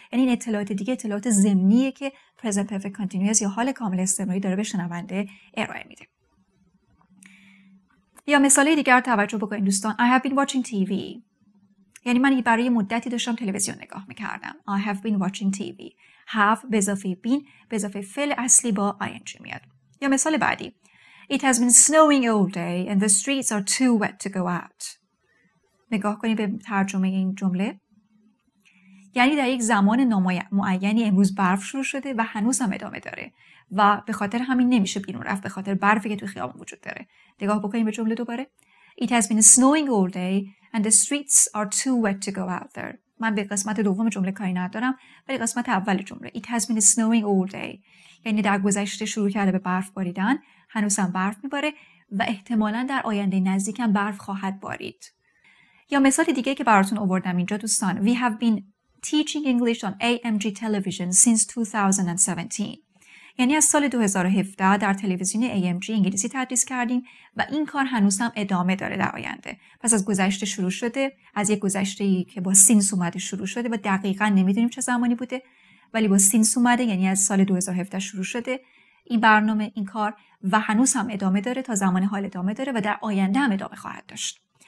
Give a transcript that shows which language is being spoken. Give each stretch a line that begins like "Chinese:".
Persian: یعنی این اطلاعات دیگه اطلاعات ضمنیه که present perfect continuous یا حال کامل استمراری داره به شنونده ارائه میده. یا مثال دیگر توجه بکنید دوستان.
English: I have been watching TV.
Persian: یعنی من برای مدتی داشتم تلویزیون نگاه میکردم.
English: I have been watching TV.
Persian: Have به اضافه been به اضافه فعل اصلی با ing میاد. یا مثال بعدی.
English: It has been snowing all day and the streets are too wet to go out.
Persian: نگاه کنید به ترجمه این جمله. یعنی در یک زمان معینی امروز برف شروع شده و هنوز هم ادامه داره و به خاطر همین نمیشه بیرون رفت به خاطر برفی که توی خیابون وجود داره. نگاه بکنید به جمله دوباره.
English: It has been snowing all day and the streets are too wet to go out there.
Persian: من به قسمت دوم جمله کاری ندارم، ولی قسمت اول جمله.
English: It has been snowing all day.
Persian: یعنی در گذشته شروع کرده به برف باریدن، هنوز هم برف میباره و احتمالاً در آینده نزدیک هم برف خواهد بارید. یا مثال دیگه که براتون آوردم اینجا دوستان.
English: We have been teaching English on AMG television since 2017.
Persian: یعنی از سال 2017 در تلویزیون AMG انگلیسی تدریس کردیم و این کار هنوز هم ادامه داره در آینده. پس از گذشته شروع شده، از یک گذشته ای که با سینس اومده شروع شده و دقیقا نمیدونیم چه زمانی بوده، ولی با سینس اومده، یعنی از سال 2017 شروع شده این برنامه، این کار و هنوز هم ادامه داره، تا زمان حال ادامه داره و در آینده هم ادامه خواهد داشت.